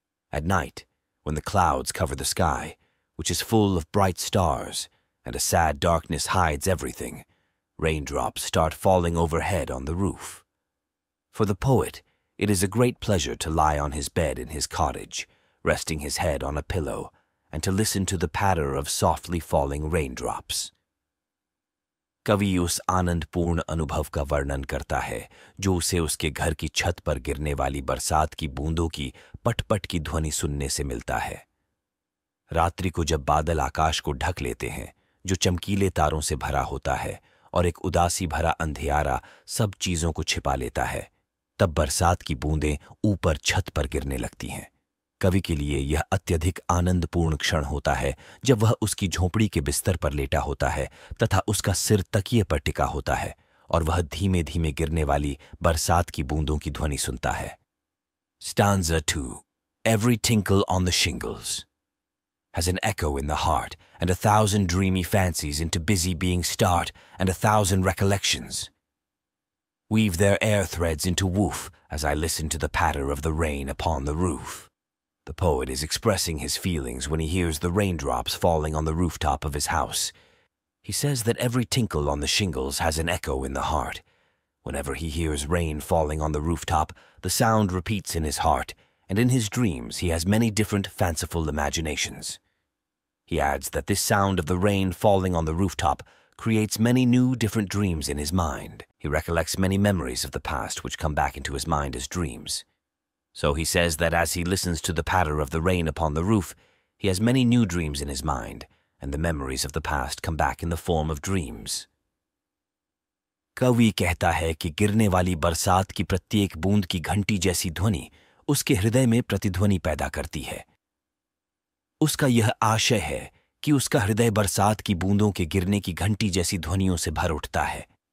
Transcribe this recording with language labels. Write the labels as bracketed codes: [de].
[en] At night, when the clouds cover the sky, which is full of bright stars, and a sad darkness hides everything, raindrops start falling overhead on the roof. For the poet, it is a great pleasure to lie on his bed in his cottage, resting his head on a pillow, and to listen to the patter of softly falling raindrops. [hi] कवि उस आनंदपूर्ण अनुभव का वर्णन करता है जो उसे उसके घर की छत पर गिरने वाली बरसात की बूंदों की पटपट की ध्वनि सुनने से मिलता है। रात्रि को जब बादल आकाश को ढक लेते हैं, जो चमकीले तारों से भरा होता है, और एक उदासी भरा अंधियारा सब चीजों को छिपा लेता है, तब बरसात की बूंदें ऊपर छत पर गिरने लगती हैं। कवि के लिए यह अत्यधिक आनंदपूर्ण क्षण होता है जब वह उसकी झोपड़ी के बिस्तर पर लेटा होता है तथा उसका सिर तकिए पर टिका होता है और वह धीमे धीमे गिरने वाली बरसात की बूंदों की ध्वनि सुनता है। [en] Stanza 2। Every tinkle on the shingles has an echo in the heart, and a thousand dreamy fancies into busy being start, and a thousand recollections. Weave their air threads into woof, as I listen to the patter of the rain upon the roof. The poet is expressing his feelings when he hears the raindrops falling on the rooftop of his house. He says that every tinkle on the shingles has an echo in the heart. Whenever he hears rain falling on the rooftop, the sound repeats in his heart, and in his dreams he has many different fanciful imaginations. He adds that this sound of the rain falling on the rooftop creates many new different dreams in his mind. He recollects many memories of the past which come back into his mind as dreams. So he says that as he listens to the patter of the rain upon the roof, he has many new dreams in his mind, and the memories of the past come back in the form of dreams. [hi] कवि कहता है कि गिरने वाली बरसात की प्रत्येक बूंद की घंटी जैसी ध्वनि उसके हृदय में प्रतिध्वनि पैदा करती है। उसका यह आशय है कि उसका हृदय बरसात की बूंदों के गिरने की घंटी जैसी ध्वनियों से भर उठता है।